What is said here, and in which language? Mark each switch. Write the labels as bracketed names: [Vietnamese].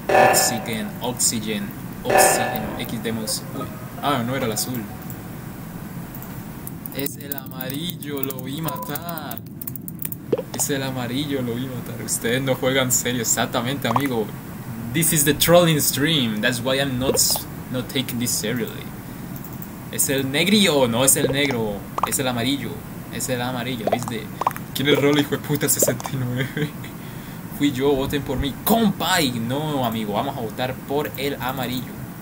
[Spanish] Oxygen, oxygen, oxygen, xdemos. Ah, no era el azul. Es el amarillo, lo vi matar. Es el amarillo, lo vi matar. Ustedes no juegan serio, exactamente, amigo. [English] This is the trolling stream. That's why I'm not taking this seriously. [Spanish] Es el negrillo, no es el negro. Es el amarillo. Es el amarillo, ¿viste? ¿Quién es Rolo, hijo de puta 69? Fui yo, voten por mí, compay. No, amigo, vamos a votar por el amarillo.